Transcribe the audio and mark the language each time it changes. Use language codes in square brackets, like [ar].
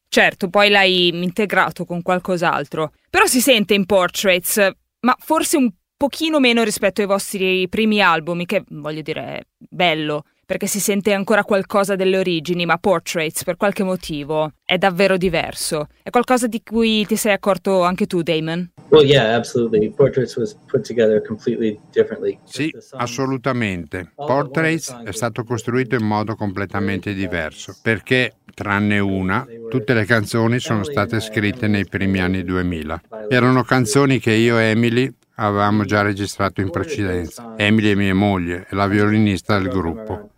[it] Certo, poi l'hai integrato con qualcos'altro. Però si sente in Portraits, ma forse un pochino meno rispetto ai vostri primi album, che voglio dire è bello, perché si sente ancora qualcosa delle origini, ma Portraits, per qualche motivo, è davvero diverso. È qualcosa di cui ti sei accorto anche tu, Damon? [en] Well, yeah, absolutely. Portraits was put together completely differently. [it] Sì, assolutamente. Portraits è stato costruito in modo completamente diverso, perché, tranne una, tutte le canzoni sono state scritte nei primi anni 2000. Erano canzoni che io e Emily avevamo già registrato in precedenza. Emily è mia moglie e la violinista del gruppo.